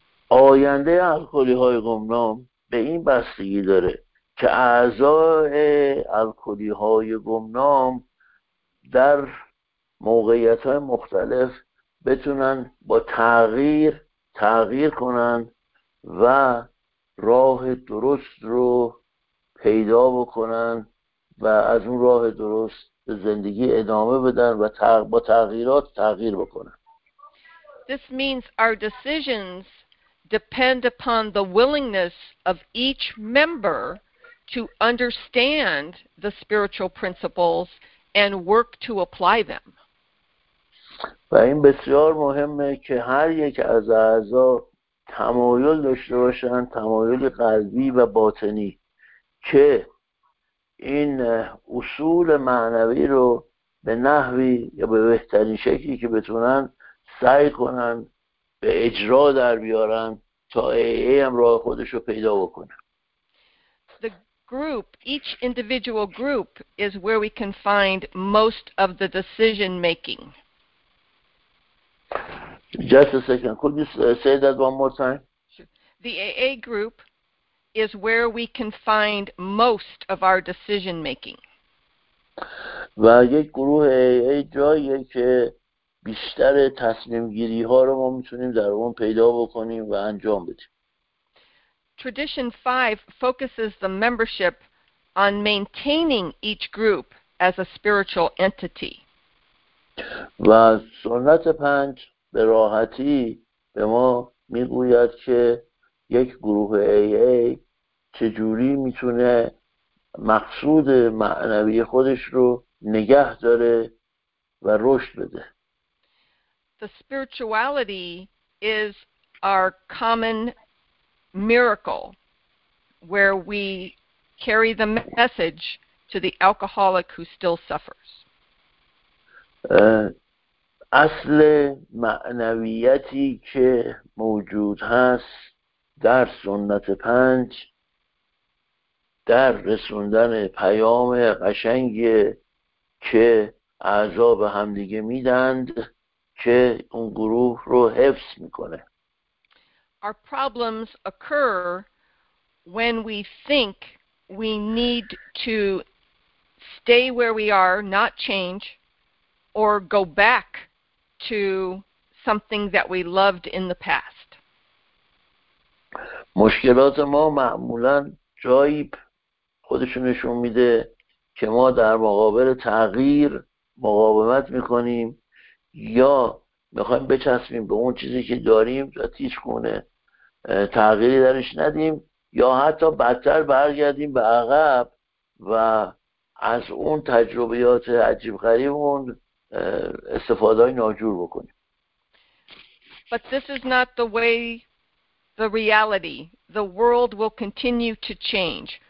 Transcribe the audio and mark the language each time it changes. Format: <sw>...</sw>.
<fa>آینده الکلی های گمنام به این بستگی داره که اعضای الکلی های گمنام در موقعیت های مختلف بتونن با تغییر کنن و راه درست رو پیدا بکنن و از اون راه درست زندگی ادامه بدن و با تغییرات تغییر بکنن.</fa> <en>This means our decisions depend upon the willingness of each member to understand the spiritual principles and work to apply them.</en> <fa>و این بسیار مهمه که هر یک از اعضا تمایل داشته باشن، تمایل قلبی و باطنی که این اصول معنوی رو به نحوی یا به بهترین شکلی که بتونن سعی کنن به اجرا در بیارن تا AA هم راه خودش رو پیدا بکنه.</fa> <en>The group, each individual group is where we can find most of the decision making. Just a second. Could you say that one more time? Sure. The AA group is where we can find most of our decision making.</en> <fa>و یک گروه AA جایی که بیشتر تصمیم گیری ها رو ما میتونیم در اون پیدا بکنیم و انجام بدیم.</fa> <en>Tradition 5 focuses the membership on maintaining each group as a spiritual entity.</en> <fa>و سنت 5 به راحتی به ما میگوید که یک گروه AA چجوری میتونه مقصود معنوی خودش رو نگه داره و رشد بده.</fa> <en>The spirituality is our common miracle where we carry the message to the alcoholic who still suffers.</en> <fa>اصل معنویتی که موجود هست در سنت 5 در رسوندن پیام قشنگ که اعضا به همدیگه میدند که اون گروه رو حفظ میکنه.</fa> <en>Our problems occur when we think we need to stay where we are, not change, or go back to something that we loved in the past.</en> <fa>مشکلات ما معمولا جایی خودشون نشون میده که ما در مقابل تغییر مقاومت میکنیم یا میخوایم بچسبیم به اون چیزی که داریم و تیش کنه تغییری درش ندیم یا حتی بدتر برگردیم به عقب و از اون تجربیات عجیب غریبمون استفاده ناجور بکنیم.</fa> <en>But this is not the way the reality. The world will continue to change.</en>